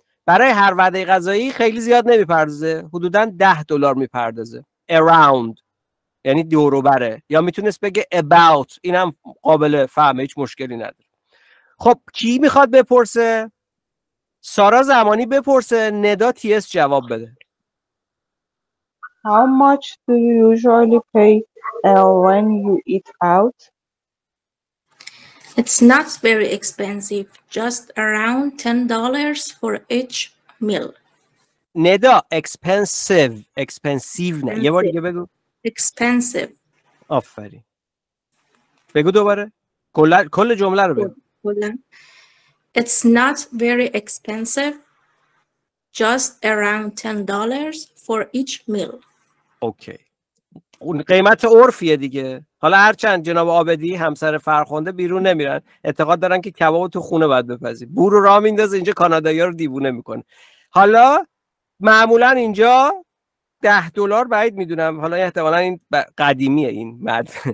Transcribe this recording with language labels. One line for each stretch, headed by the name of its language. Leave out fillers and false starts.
Persian: برای هر وعده غذایی خیلی زیاد نمیپردازه، حدوداً $10 میپردازه. Around یعنی دوروبره، یا میتونست بگه about، اینم قابل فهمه، هیچ مشکلی نداره. خب کی میخواد بپرسه؟ سارا زمانی بپرسه، ندا تیس جواب بده.
English: How much do you usually pay when you eat out? It's not very expensive, just around $10 for each meal.
Persian: ندا expensive نه. یه بار دیگه بگو.
English: Expensive.
Persian: آفرین. بگو دوباره. کل جمله رو بگو.
English: It's not very expensive, just around $10 for each meal.
Persian: اوکی. اون قیمت عرفیه دیگه. حالا هرچند جناب آبدی همسر فرخنده بیرون نمیرن، اعتقاد دارن که کباب تو خونه باید بپزی. بورو را میندازه اینجا، کانادایی‌ها رو دیوونه میکنه. حالا معمولا اینجا $10 بعید میدونم، حالا احتمالا این قدیمیه این بعد.